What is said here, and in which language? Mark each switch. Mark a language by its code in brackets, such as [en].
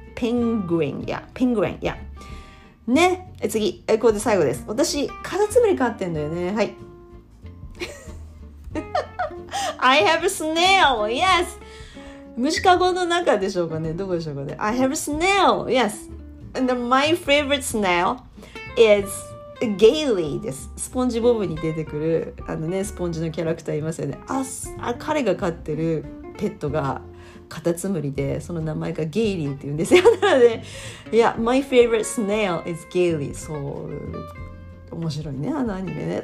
[ja] ペンギン、ね、次、ここで最後です。私カタツムリ飼ってんだよね、はい。 [en] I have a snail。 [ja] Yes、虫かごの中でしょうかね、どこでしょうかね。 [en] I have a snail。 Yes, and my favorite snail is Gailey です。 [ja] スポンジボブに出てくる、あのね、スポンジのキャラクターいますよね。彼が飼ってるペットがカタツムリで、その名前がゲイリーって言うんですよ。なので、 [en] Yeah, my favorite snail is Gailey。 [ja] そう、面白いね、あのアニメね。